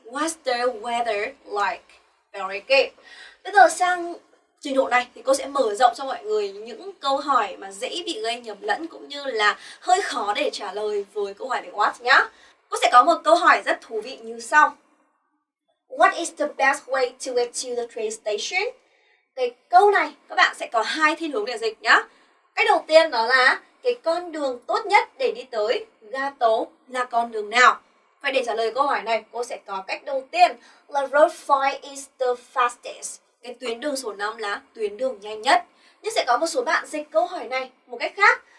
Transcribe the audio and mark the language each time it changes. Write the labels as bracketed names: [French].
[English] What's the weather like? Very good. [Vietnamese] Bây giờ sang trình độ này thì cô sẽ mở rộng cho mọi người những câu hỏi mà dễ bị gây nhầm lẫn cũng như là hơi khó để trả lời với câu hỏi về what nhá. Cô sẽ có một câu hỏi rất thú vị như sau. [English] What is the best way to get to the train station? [Vietnamese] Cái câu này các bạn sẽ có hai thiên hướng để dịch nhá. Cái đầu tiên đó là cái con đường tốt nhất để đi tới ga tố là con đường nào? Vậy để trả lời câu hỏi này, cô sẽ có cách đầu tiên là [English] road 5 is the fastest. [Vietnamese] Cái tuyến đường số 5 là tuyến đường nhanh nhất. Nhưng sẽ có một số bạn dịch câu hỏi này một cách khác.